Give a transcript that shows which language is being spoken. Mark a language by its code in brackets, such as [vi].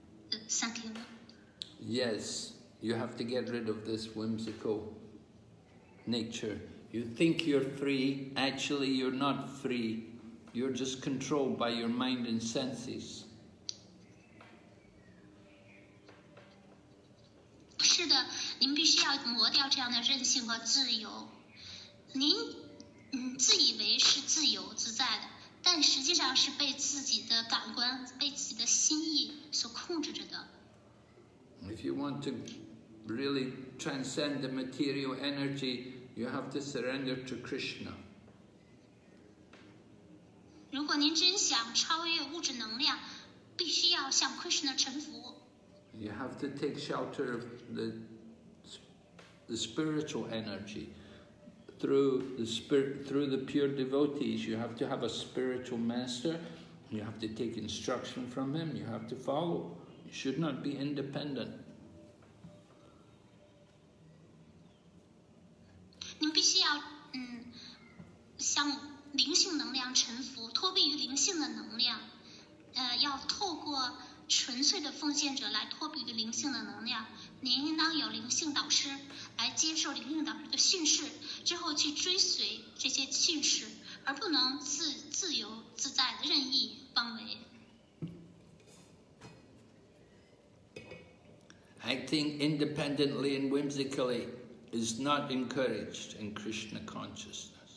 [en] Thank you. Yes, you have to get rid of this whimsical nature. You think you're free, actually you're not free. You're just controlled by your mind and senses. [zh] 是的，您必须要磨掉这样的韧性和自由。您自以为是自由自在的，但实际上是被自己的感官、被自己的心意所控制着的。 [en] If you want to really transcend the material energy, you have to surrender to Krishna. [zh] 如果您真想超越物质能量，必须要向 Krishna 臣服。 [en] You have to take shelter of the spiritual energy. Through the pure devotees, you have to have a spiritual master, you have to take instruction from him, you have to follow. You should not be independent. [zh] 您必须要向灵性能量臣服，脱避于灵性的能量，要透过纯粹的奉献者来脱避于灵性的能量。您应当有灵性导师来接受灵性导师的训示，之后去追随这些训示，而不能自由自在的任意妄为。 [en] Acting independently and whimsically is not encouraged in Krishna consciousness.